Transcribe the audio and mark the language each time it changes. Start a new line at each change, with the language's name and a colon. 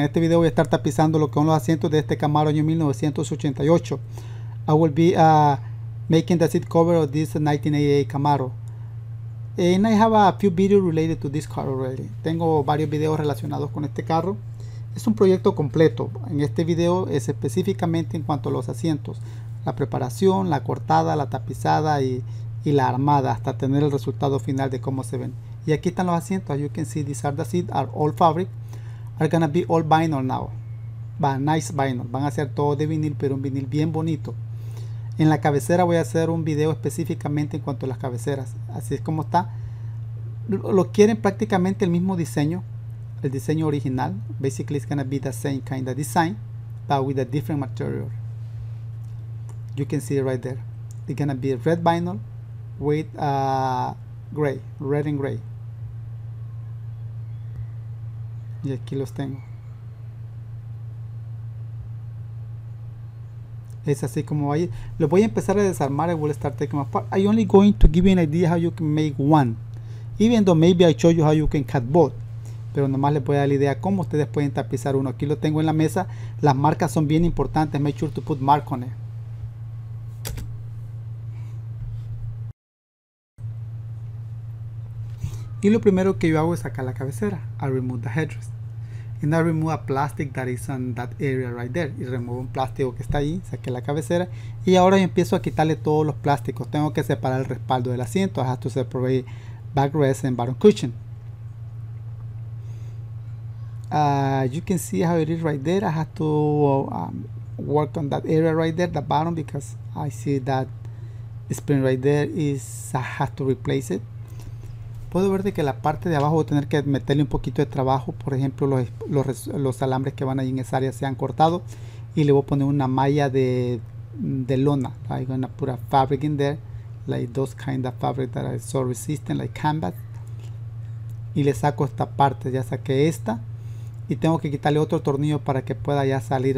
Spanish: En este video voy a estar tapizando lo que son los asientos de este Camaro año 1988.
English: I will be making the seat cover of this 1988 Camaro. And I have a few videos related to this car already.
Spanish: Tengo varios videos relacionados con este carro. Es un proyecto completo. En este video es específicamente en cuanto a los asientos. La preparación, la cortada, la tapizada y la armada hasta tener el resultado final de cómo se ven. Y aquí están los asientos.
English: You can see these are the seats are all fabric. Are gonna be all vinyl now. But nice vinyl.
Spanish: Van a ser todo de vinil, pero un vinil bien bonito. En la cabecera voy a hacer un video específicamente en cuanto a las cabeceras. Así es como está. Lo quieren prácticamente el mismo diseño. El diseño original.
English: Basically it's gonna be the same kind of design. But with a different material. You can see it right there. It's gonna be red vinyl with gray, red and gray.
Spanish: Y aquí los tengo. Es así como va a ir. Lo voy a empezar a desarmar.
English: I will start taking apart. I only going to give you an idea how you can make one. Even though maybe I show you how you can cut both.
Spanish: Pero nomás les voy a dar la idea cómo ustedes pueden tapizar uno. Aquí lo tengo en la mesa. Las marcas son bien importantes.
English: Make sure to put mark on it.
Spanish: Y lo primero que yo hago es sacar la cabecera.
English: I remove the headrest. And I remove a plastic that is on that area right there.
Spanish: Y remove un plástico que está ahí. Saqué la cabecera. Y ahora empiezo a quitarle todos los plásticos. Tengo que separar el respaldo del asiento.
English: I have to separate backrest and bottom cushion. You can see how it is right there. I have to work on that area right there, the bottom, because I see that spring right there is, I have to replace it.
Spanish: Puedo ver de que la parte de abajo voy a tener que meterle un poquito de trabajo. Por ejemplo, los alambres que van ahí en esa área se han cortado. Y le voy a poner una malla de lona.
English: I'm going to put a fabric in there. Like those kind of fabric that are so resistant, like canvas.
Spanish: Y le saco esta parte. Ya saqué esta. Y tengo que quitarle otro tornillo para que pueda ya salir.